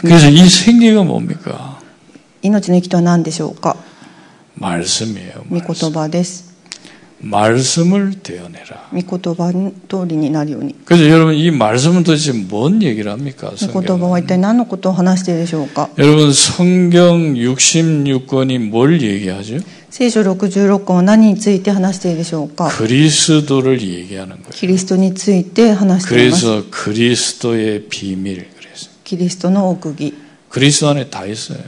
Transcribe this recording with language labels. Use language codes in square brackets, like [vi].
[ko] 그래서 이 생기가 뭡니까? [ja] 命の息とは何でしょうか? [ko] 말씀이에요. [ja] 御言葉です. [ko] 말씀을 되어내라. [ja] 御言葉通りになるように. [ko] 그래서 여러분 이 말씀은 도대체 뭔 얘기를 합니까? [ja] 御言葉は 一体何のことを話しているでしょうか? [ko] 여러분 성경 66권이 뭘 얘기하죠? [ja] 聖書 66권は何について話しているでしょうか? [ko] 그리스도를 얘기하는 거예요. [ja] 그리스도について話しています. [ko] 그래서 그리스도의 비밀. 그래서. [ja] 그리스도의 奥義. [ko] 그리스도 안에 다 있어요.